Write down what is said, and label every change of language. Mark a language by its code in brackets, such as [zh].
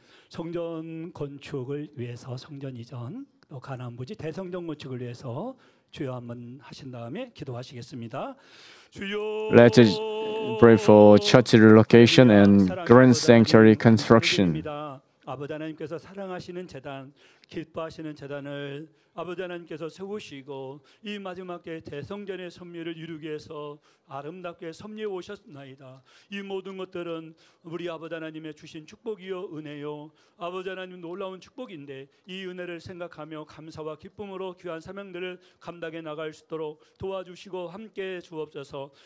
[ko] 성전 건축을 위해서 성전 이전 또 가나안 부지 대성전 건축을 위해서 주여 한번 하신 다음에 기도하시겠습니다. 주여. [en] Let us pray for church relocation and grand sanctuary construction. [ko] 아버지 하나님께서 사랑하시는 제단 기뻐하시는 제단을 아버지 하나님께서 세우시고 이 마지막에 대성전의 섭리를 이루기 위해서 아름답게 섭리해 오셨나이다. 이 모든 것들은 우리 아버지 하나님의 주신 축복이요 은혜요 아버지 하나님 놀라운 축복인데 이 은혜를 생각하며 감사와 기쁨으로 귀한 사명들을 감당해 나갈 수 있도록 도와주시고 함께 주옵소서.